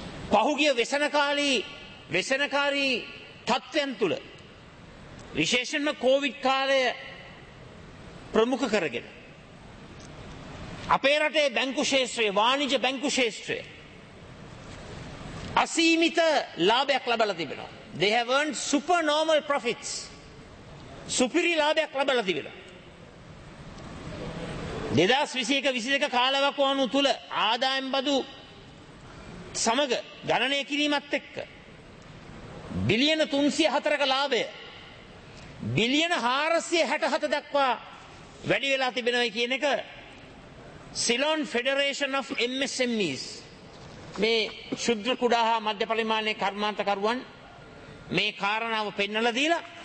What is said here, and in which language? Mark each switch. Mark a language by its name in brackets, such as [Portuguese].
[Sinhala] පහුගිය වෙසෙනකාරී තත්ත්වයන් තුළ විශේෂයෙන්ම කෝවිඩ් කාලය ප්‍රමුඛ කරගෙන අපේ රටේ බැංකු ක්ෂේත්‍රය, වාණිජ බැංකු ක්ෂේත්‍රය අසීමිත ලාභයක් ලබලා තිබෙනවා. [English] They have earned super normal profits. [Sinhala] සුපිරි ලාභයක් ලබලා තිබෙනවා. 2021-22 කාලවකවානුව තුළ ආදායම් බදු සමග ගණනය කිරීමත් එක්ක බිලියන 304ක ලාභය බිලියන 467 දක්වා වැඩි වෙලා තිබෙනවා කියන එක සිලෝන් ෆෙඩරේෂන් ඔෆ් MSMEs මේ ක්ෂුද්‍ර කුඩා හා මධ්‍ය පරිමාණයේ කර්මාන්තකරුවන් මේ කාරණාව පෙන්වලා දීලා